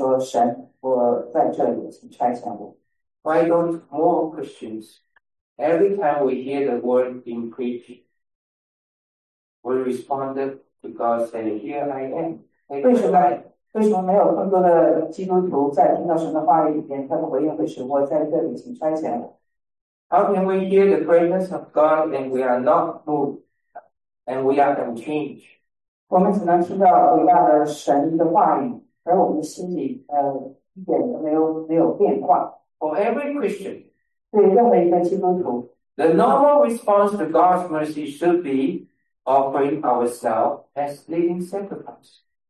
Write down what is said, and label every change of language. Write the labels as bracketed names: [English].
[Chinese] 我有的时候在想，当对神的话语在被宣讲的时候，没有很多人回应说：“神，我在这里，请差遣我。” [English] Why don't more Christians, every time we hear the word being preached, we responded to God saying, "Here I am." [Chinese] 为什么没有更多的基督徒在听到神的话语里面，他们回应会说：“我在这里，请差遣我。” [English] How can we hear the greatness of God and we are not moved and we are unchanged? [Chinese] 我们只能听到伟大的神的话语，而我们的心里一点都没有变化。 [English] For every Christian, [Chinese] 对任何一个基督徒， [English] the normal response to God's mercy should be offering ourselves as living sacrifice.